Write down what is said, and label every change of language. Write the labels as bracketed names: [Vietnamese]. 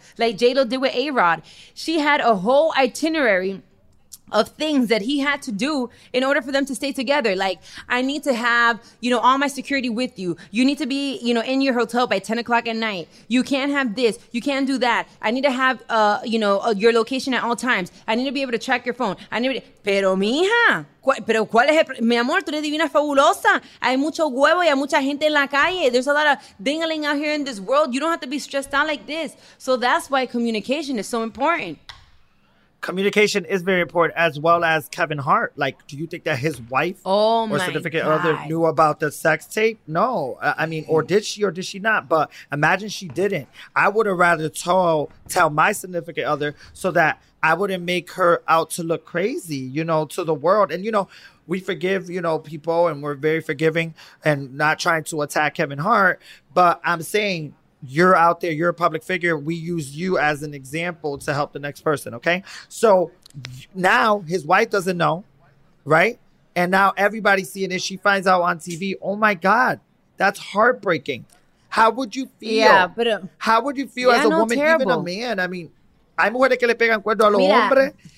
[English] Like J-Lo did with A-Rod. She had a whole itinerary of things that he had to do in order for them to stay together. Like, I need to have, you know, all my security with you. You need to be, you know, in your hotel by 10 o'clock at night. You can't have this. You can't do that. I need to have, your location at all times. I need to be able to track your phone. [Spanish] Pero mija, pero cuál es el mi amor, tú eres divina fabulosa. Hay mucho huevo y hay mucha gente en la calle. [English] There's a lot of ding-a-ling out here in this world. You don't have to be stressed out like this. So that's why communication is so important. communication is very important, as well as Kevin Hart. Like, do you think that his wife or significant other knew about the sex tape? No. I mean, or did she or did she not? But imagine she didn't. I would have rather tell my significant other so that I wouldn't make her out to look crazy, you know, to the world. And, you know, we forgive, you know, people, and we're very forgiving and not trying to attack Kevin Hart. But I'm saying, you're out there, you're a public figure. We use you as an example to help the next person, okay? So now his wife doesn't know, right? And now everybody's seeing it. She finds out on TV. Oh, my God. That's heartbreaking. How would you feel? Yeah, but how would you feel as a woman, terrible. Even a man? [Spanish] I mean, hay mujeres que le pegan cuerno a los hombres.